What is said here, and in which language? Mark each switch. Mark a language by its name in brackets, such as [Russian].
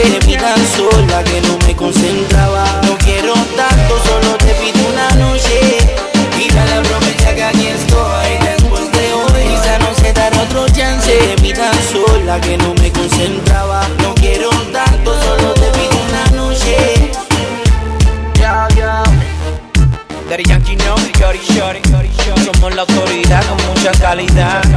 [Spanish] Te vi tan sola que no me concentraba. No quiero tanto, solo te pido una noche. Quizá la aprovecha que aquí estoy después de hoy. Quizá no se dará otro chance. Te vi tan sola que no me concentraba. No quiero tanto, solo te pido una noche. [English] Daddy Yankee knows it, shorty, shorty, shorty, shorty. [Spanish] Somos la autoridad con mucha calidad.